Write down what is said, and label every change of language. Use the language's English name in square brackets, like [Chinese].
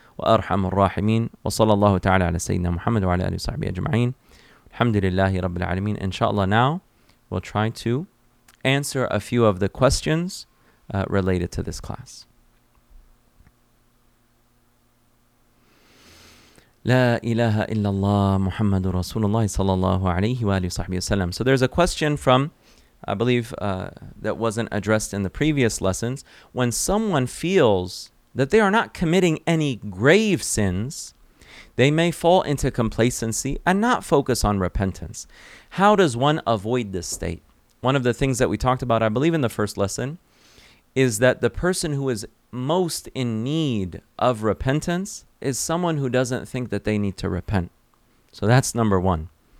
[Arabic] وأرحم الراحمين وصلى الله تعالى على سيدنا محمد وعلى آله وصحبه أجمعين الحمد لله رب العالمين. [English] Inshallah, now we'll try to answer a few of the questions related to this class. [Arabic] لا إله إلا الله محمد رسول الله صلى الله عليه وآله وصحبه وسلم. [English] So there's a question from, I believe, that wasn't addressed in the previous lessons. When someone feels that they are not committing any grave sins, they may fall into complacency and not focus on repentance. How does one avoid this state? One of the things that we talked about, I believe in the first lesson, is that the person who is most in need of repentance is someone who doesn't think that they need to repent. So that's number one.